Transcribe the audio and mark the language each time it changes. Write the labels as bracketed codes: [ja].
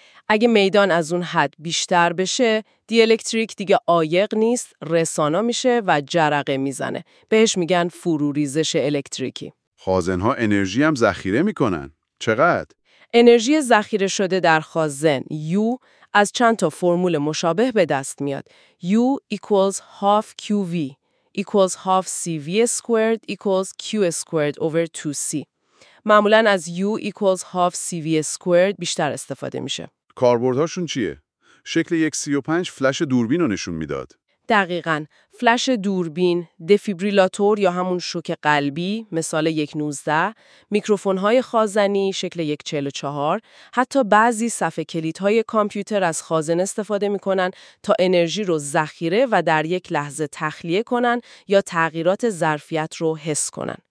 [fa] اگه میدان از اون حد بیشتر بشه، دی الکتریک دیگه عایق نیست، رسانا میشه و جرقه میزنه. بهش میگن فروریزش الکتریکی. خازن‌ها انرژی هم ذخیره میکنن. چقدر؟ انرژی ذخیره شده در خازن U از چند تا فرمول مشابه به دست میاد. [en] U equals half QV equals half CV squared equals Q squared over 2C. [fa] معمولاً از [en] U equals half CV squared [fa] بیشتر استفاده میشه. کاربردهاشون چیه؟ شکل 1-35 فلش دوربین رو نشون میداد. دقیقاً، فلش دوربین، دفیبریلاتور یا همون شوک قلبی، مثال 119، میکروفون‌های خازنی شکل 144، حتی بعضی صفحه کلیدهای کامپیوتر از خازن استفاده می‌کنن تا انرژی رو ذخیره و در یک لحظه تخلیه کنن یا تغییرات ظرفیت رو حس کنن.